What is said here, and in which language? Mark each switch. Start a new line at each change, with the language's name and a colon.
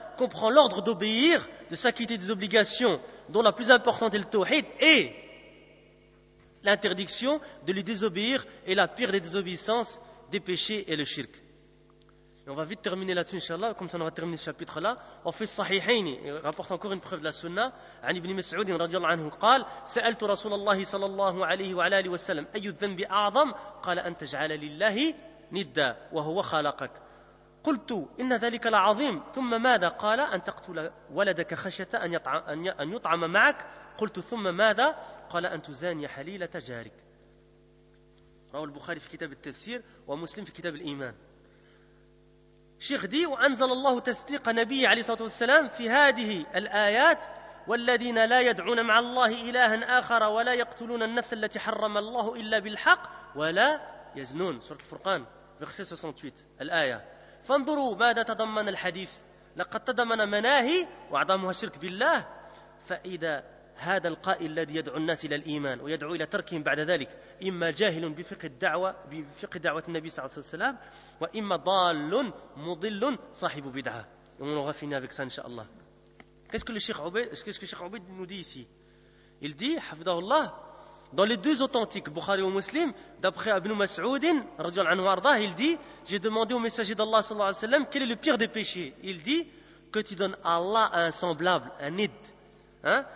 French: comprend l'ordre d'obéir, de s'acquitter des obligations, dont la plus importante est le tawhid, et l'interdiction de lui désobéir est la pire des désobéissances, des péchés et le shirk. Et on va vite terminer là-dessus, inshallah, comme ça on aura terminé ce chapitre-là. On fait sahihayni, rapporte encore une preuve de la sunna.
Arabic: An ibn Mas'ud, radiallahu anhu, قال, سألت رسول الله صلى الله عليه وعلى اله وسلم أي الذنب أعظم؟ قال أن تجعل لله ندا وهو خلقك. قلت إن ذلك العظيم ثم ماذا؟ قال أن تقتل ولدك خشية أن يطعم معك. قلت ثم ماذا؟ قال أن تزاني حليلة جارك. رواه البخاري في كتاب التفسير ومسلم في كتاب الإيمان. شيخ دي وأنزل الله تصديق نبيه عليه الصلاة والسلام في هذه الآيات والذين لا يدعون مع الله إلها آخر ولا يقتلون النفس التي حرم الله إلا بالحق ولا يزنون. سورة الفرقان verset 68 الآية. فانظروا ماذا تضمن الحديث. لقد تضمن مناهي وأعظمها شرك بالله. فإذا هذا القائل الذي يدعو الناس إلى الإيمان ويدعو إلى تركهم بعد ذلك إما جاهل بفقه دعوة النبي صلى الله عليه وسلم وإما ضال مضل صاحب بدعة.
French: On aura fini avec ça, inshallah. Qu'est-ce que le Cheikh Obaid nous dit ici? Il dit, hafidahullah, dans les deux authentiques, Bukhari et Muslim, d'après Ibn Mas'ud, radiallahu anhu arda, il dit, j'ai demandé au messager d'Allah, sallallahu alayhi wa sallam, quel est le pire des péchés? Il dit, que tu donnes Allah à un semblable, un nid. Hein?